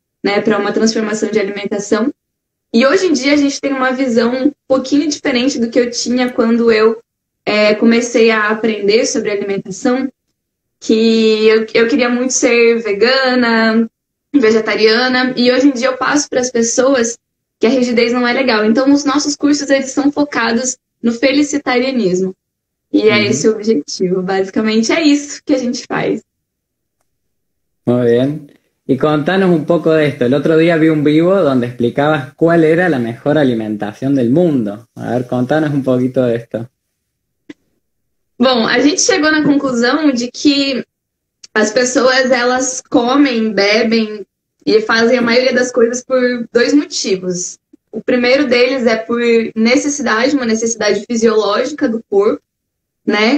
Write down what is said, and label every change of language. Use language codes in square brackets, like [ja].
[pt] Né, para uma transformação de alimentação. E hoje em dia a gente tem uma visão um pouquinho diferente do que eu tinha quando eu comecei a aprender sobre alimentação, que eu queria muito ser vegana, vegetariana, e hoje em dia eu passo para as pessoas que a rigidez não é legal. Então, os nossos cursos eles são focados no felicitarianismo. E é esse o objetivo, basicamente. É isso que a gente faz. Muito bem. [es] Y contanos un poco de esto. El otro día vi un vivo donde explicabas cuál era la mejor alimentación del mundo. A ver, contanos un poquito de esto. [pt] Bom, a gente chegou na conclusão de que as pessoas, elas comem, bebem e fazem a maioria das coisas por dois motivos. O primeiro deles é por necessidade, uma necessidade fisiológica do corpo, né?